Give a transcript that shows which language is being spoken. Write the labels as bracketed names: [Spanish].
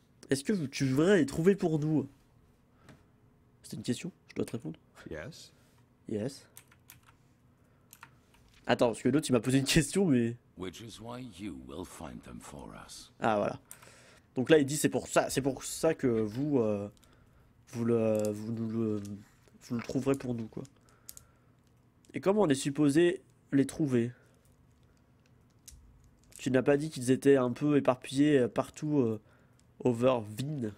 [French] Est-ce que tu voudrais les trouver pour nous? C'est une question, je dois te répondre. [English] Yes. Yes. [French] Attends, parce que l'autre il m'a posé une question, mais. [English] Which is why you will find them for us. [French] Ah voilà. Donc là il dit c'est pour ça que vous le trouverez pour nous quoi. Et comment on est supposé les trouver? Tu n'as pas dit qu'ils étaient un peu éparpillés partout over Vin?